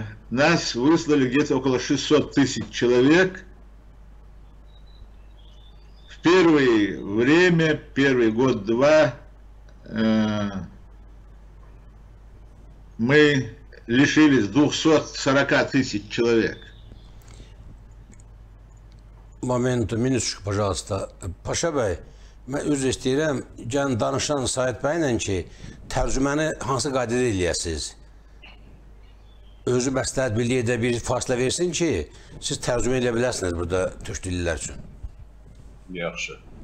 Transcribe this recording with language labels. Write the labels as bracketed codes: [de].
[ru] Нас выслали где-то около 600 тысяч человек. В первое время, первый год-два, мы лишились 240 тысяч человек. Momentu, minisuk, пожалуйста. [az] Paşa Bey, mən üzr istəyirəm, gəlin danışan Said Bəylə ki, tərcüməni hansı qaydada eləyəsiniz? Özü məsləhət bildiyi də bir fasilə versin ki, siz tərcümə edə bilərsiniz burada türk dillər üçün. Yaxşı.